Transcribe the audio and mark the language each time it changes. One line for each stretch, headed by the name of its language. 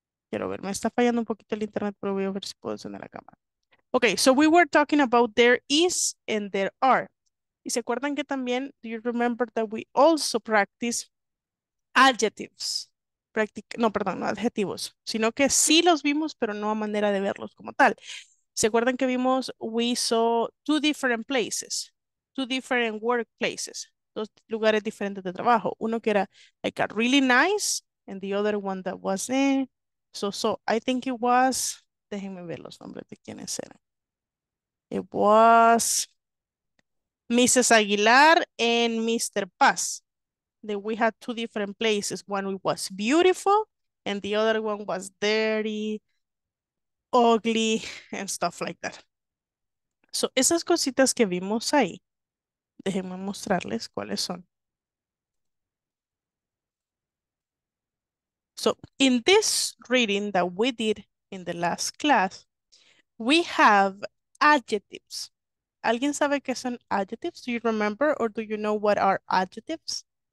Spanish: Quiero ver, me está fallando un poquito el internet, pero voy a ver si puedo encender la cámara.
English: Ok, so we were talking about there is and there are.
Spanish: ¿Y se acuerdan que también,
English: do you remember that we also practice adjectives?
Spanish: No, perdón, no adjetivos, sino que sí los vimos, pero no a manera de verlos como tal. ¿Se acuerdan que vimos,
English: we saw two different places, two different workplaces,
Spanish: dos lugares diferentes de trabajo? Uno que era
English: like a really nice, and the other one that was so, I think it was,
Spanish: déjenme ver los nombres de quiénes eran.
English: It was Mrs. Aguilar and Mr. Paz. That we had two different places. One was beautiful and the other one was dirty, ugly, and stuff like that.
Spanish: So esas cositas que vimos ahí, déjenme mostrarles cuáles son.
English: So in this reading that we did in the last class, we have adjectives.
Spanish: ¿Alguien sabe qué son adjectives?
English: Do you remember or do you know what are adjectives?